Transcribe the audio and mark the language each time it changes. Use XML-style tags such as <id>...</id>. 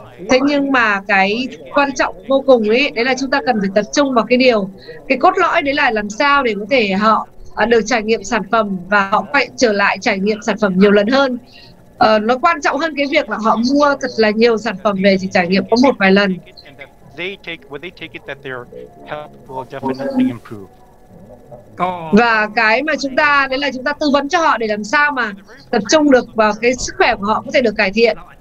<vi>Thế nhưng mà cái quan trọng vô cùng ấy đấy là chúng ta cần phải tập trung vào cái điều, cái cốt lõi đấy là làm sao để có thể họ được trải nghiệm sản phẩm và họ quay trở lại trải nghiệm sản phẩm nhiều lần hơn. Nó quan trọng hơn cái việc là họ mua thật là nhiều sản phẩm về chỉ trải nghiệm có một vài lần.</vi> <en>they take when they take it that their health will definitely improve.</en> <vi>Và cái mà chúng ta đấy là chúng ta tư vấn cho họ để làm sao mà tập trung được vào cái sức khỏe của họ có thể được cải thiện.</vi>